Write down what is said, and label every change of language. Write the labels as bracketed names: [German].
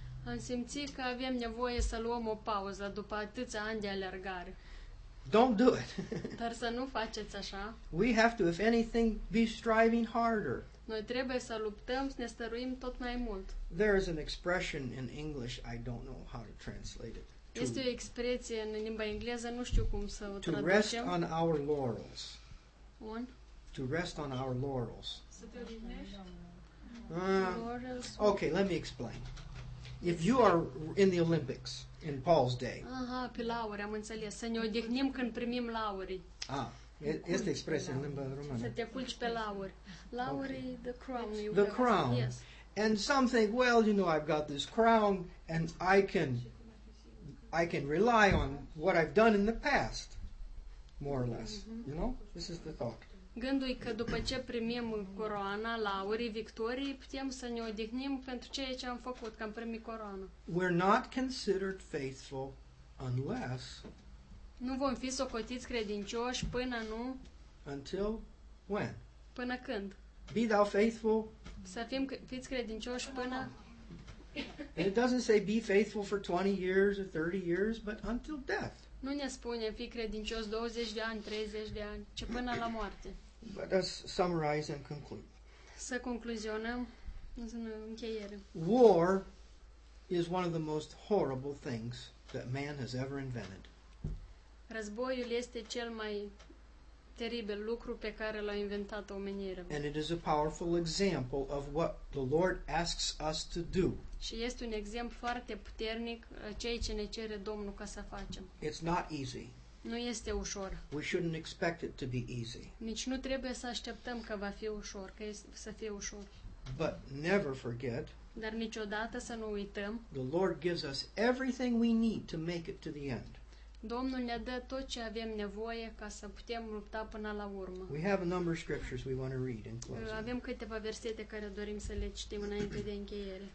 [Romanian] Am simțit că avem nevoie să luăm o pauză după atâția ani de alergare. [English] Don't do it. [Romanian] Dar să nu faceți așa. [English] We have to, if anything, be striving harder. [Romanian] Noi trebuie să luptăm, să ne stăruim tot mai mult. [English] There is an expression in English, I don't know how to translate it. [Romanian] Este o expresie în limba engleză, nu știu cum să o traducem. [English] To rest on our laurels. [Romanian] Un? [English] To rest on our laurels. [Romanian] Să te odihnești? [English] Laurels. Okay, let me explain. If you are in the Olympics in Paul's day. [Romanian] Aha, pe lauri, am înțeles. Să ne odihnim când primim lauri. Ah, este expresie în limba română. Să te culci pe lauri. Lauri, okay. [English] The crown. The crown. Yes. And some think, well, you know, I've got this crown and I can rely on what I've done in the past, more or less. Mm-hmm. You know, this is the thought. [Romanian] Gândul e că după ce primim coroana, laurii, victorii, putem să ne odihnim pentru ceea ce am făcut, că am primit coroana. [English] We're not considered faithful unless [Romanian] nu vom fi socotiți credincioși până nu [English] Until when? [Romanian] Până când? [English] Be thou faithful. [Romanian] Să fim fiți credincioși până. [English] And it doesn't say be faithful for 20 years or 30 years, but until death. [Romanian] Nu ne spune fii credincios 20 de ani, 30 de ani, ci până la moarte. [English] Let us summarize and conclude. [Romanian] Să concluzionăm în încheiere. [English] War is one of the most horrible things that man has ever invented. [Romanian] Războiul este cel mai teribil lucru pe care l-a inventat omenirea. [English] And it is a powerful example of what the Lord asks us to do. [Romanian] Și este un exemplu foarte puternic a ceea ce ne cere Domnul ca să facem. [English] It's not easy. [Romanian] Nu este ușor. [English] We shouldn't expect it to be easy. [Romanian] Nici nu trebuie să așteptăm că va fi ușor, că să fie ușor. [English] But never forget. [Romanian] Dar niciodată să nu uităm. [English] The Lord gives us everything we need to make it to the end. [Romanian] Domnul ne dă tot ce avem nevoie ca să putem lupta până la urmă. [English] We have a number of scriptures we want to read in closing. [Romanian] Avem câteva versete care dorim să le citim înainte de încheiere.